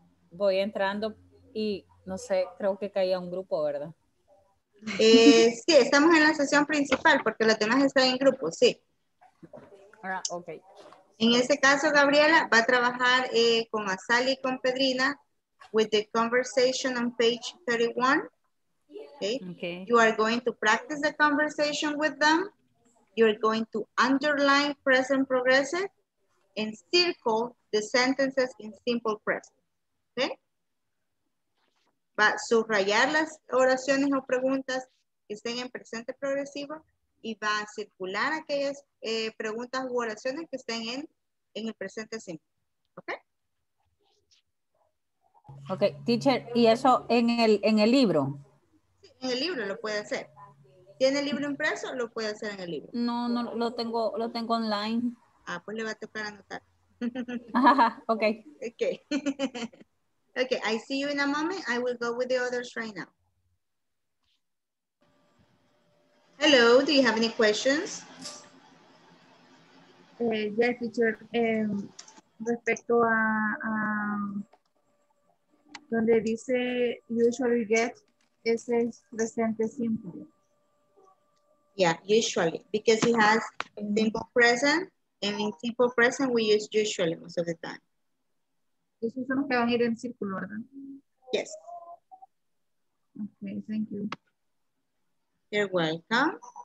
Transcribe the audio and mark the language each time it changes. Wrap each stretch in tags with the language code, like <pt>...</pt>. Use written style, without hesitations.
<es>Voy entrando y no sé, creo que caía un grupo, ¿verdad? sí, estamos en la sesión principal porque los demás están en grupo, sí. Ok. En este caso, Gabriela va a trabajar con Sally y con Pedrina.</es> <en>With the conversation on page 31, okay. You are going to practice the conversation with them. You're going to underline present progressive and circle the sentences in simple present, okay?</en> <es>Va a subrayar las oraciones o preguntas que estén en presente progresivo y va a circular aquellas preguntas u oraciones que estén en el presente simple, okay? Ok, teacher, ¿y eso en el libro? Sí, en el libro lo puede hacer. ¿Tiene el libro impreso? Lo puede hacer en el libro. No, lo tengo online. Ah, pues le va a tocar anotar. Ok.</es> <en>Ok. Ok, I see you in a moment. I will go with the others right now. Hello, do you have any questions? Yes, teacher.</en> <es>Respecto a... donde dice</es> <en>usually get,</en> <es>ese es presente simple.</es> <en>Yeah, usually, because it has simple present And in simple present, we use usually most of the time.</en> <es>Esos son los que van a ir en círculo, ¿verdad?</es> <en>Yes. Okay, thank you. You're welcome.</en>